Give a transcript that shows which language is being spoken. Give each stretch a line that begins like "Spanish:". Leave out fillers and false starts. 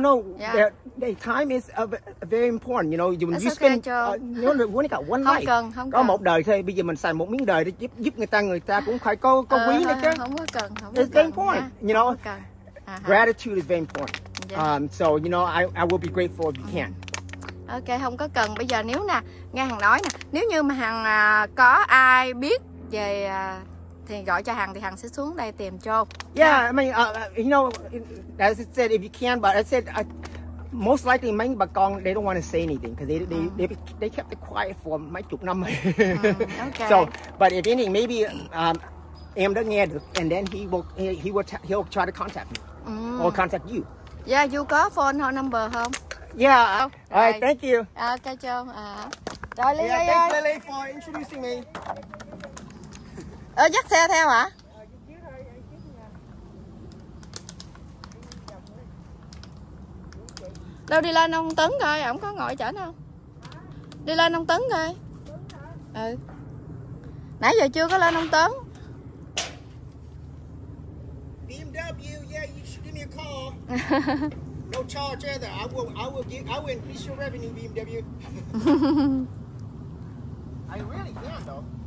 English: No, yeah. their time is very important, you know. That's you okay, spend, you only got one life.
Vietnamese: Không cần. Có một đời thôi, bây giờ mình xài một miếng đời để giúp người ta cũng phải có quý nữa chứ. Không có cần.
English: It's very important, yeah. You know. Gratitude is very important. Yeah. So you know, I will be grateful if you can.
Vietnamese: Ok, không có cần. Bây giờ nếu nè, nghe Hằng nói nè, nếu như mà Hằng có ai biết về thì gọi cho Hằng, thì Hằng sẽ xuống đây tìm Châu.
English: Yeah, I mean, you know, as I said, if you can, but I said most likely
Vietnamese: mấy bà con
English: they don't want to say anything because they kept it quiet for
Vietnamese: mấy chục năm.
English: Okay. So, but if anything, maybe
Vietnamese: em đã nghe được,
English: and then he will try to contact me or contact you. Yeah, you
Vietnamese: có
English: phone or number
Vietnamese: không?
English: Yeah. Oh, all right. Thank you. Okay, Joe.
Vietnamese: Rồi,
English: Lily. Yeah, thanks, Lily, for introducing me.
Vietnamese: Dắt xe theo hả? Đâu đi lên ông Tấn coi, ổng có ngồi chở không? Đi lên ông Tấn coi. Nãy giờ chưa có lên ông Tấn.
English: BMW, yeah, you should give me a call. No charge either. I will increase your revenue, BMW. I really can though.